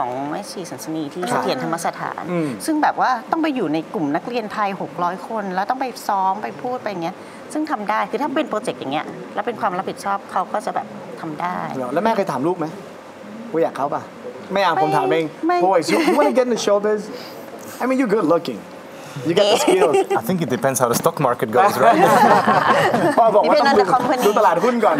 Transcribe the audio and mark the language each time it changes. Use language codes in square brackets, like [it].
[th] แม่ชีสันสนีที่เสถียรธรรมสถานซึ่งแบบว่าต้องไปอยู่ในกลุ่มนักเรียนไทย600คนแล้วต้องไปซ้อมไปพูดไปอย่างเงี้ยซึ่งทำได้คือถ้าเป็นโปรเจกต์อย่างเงี้ยแล้วเป็นความรับผิดชอบเขาก็จะแบบทำได้ แล้วแม่เคยถามลูกไหมว่าอยากเขาป่ะไม่อ่ะผมถามเอง [en] boys you want to get in the showbiz I mean you're good looking you got the skills I think it depends how the stock market goes right [th] พอบอกว่าต้องดูตลาดหุ้นก่อน